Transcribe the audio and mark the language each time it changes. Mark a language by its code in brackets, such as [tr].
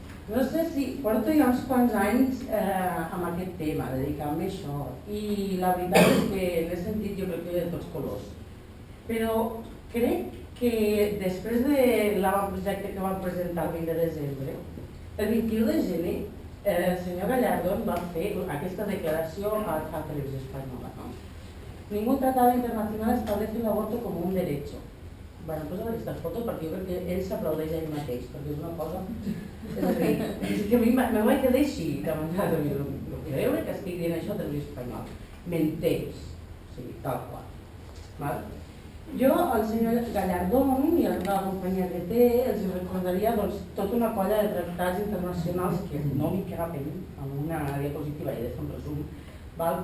[ca] No sé si porto ja uns quants anys amb aquest tema, dedicant-me a això, i la veritat és que l'he sentit jo crec que de tots colors. Però crec que després de l'avantprojecte que vam presentar el 20 de desembre, el 21 de gener, el senyor Gallardón va fer aquesta declaració a la Televisió Espanyola. No? [es] Ningún tratado internacional establece el aborto como un derecho. [ca] Bueno, posa aquestes fotos perquè jo crec que ell s'aplaudeix a ell mateix, perquè és una cosa... És que a mi me ho he quedat així, de manera que no creure que estic dient això a Televisió Espanyola. Menteix, o sigui, tal qual. Val? Jo, el senyor Gallardón i la meva companya que té, els recordaria doncs, tota una colla de tractats internacionals que no m'hi caben en una diapositiva, ja de fer un resum, val?